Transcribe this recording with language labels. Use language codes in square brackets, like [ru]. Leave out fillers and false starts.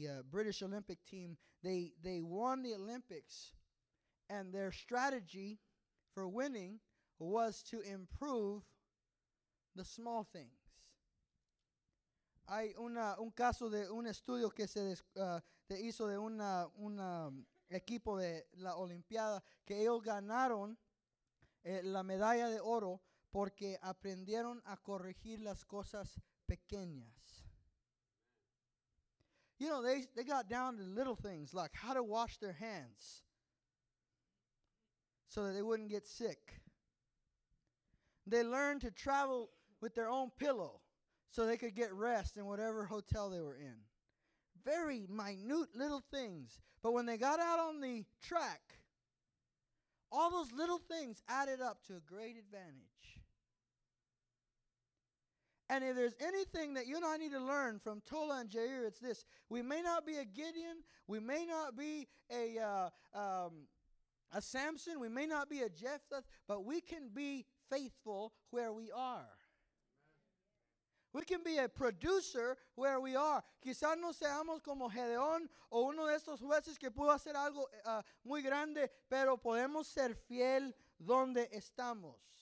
[en] British Olympic team, they won the Olympics, and their strategy for winning was to improve the small things. [es] Hay un caso de un estudio que se hizo de una equipo de la Olimpiada, que ellos ganaron la medalla de oro porque aprendieron a corregir las cosas pequeñas. [en] You know, they got down to little things like how to wash their hands so that they wouldn't get sick. They learned to travel with their own pillow so they could get rest in whatever hotel they were in. Very minute little things. But when they got out on the track, All those little things added up to a great advantage. And if there's anything that you and I need to learn from Tola and Jair, it's this. We may not be a Gideon. We may not be a Samson. We may not be a Jephthah. But we can be faithful where we are. We can be a producer where we are. [es] Quizás no seamos como Gedeón o uno de estos jueces que pudo hacer algo muy grande, pero podemos ser fiel donde estamos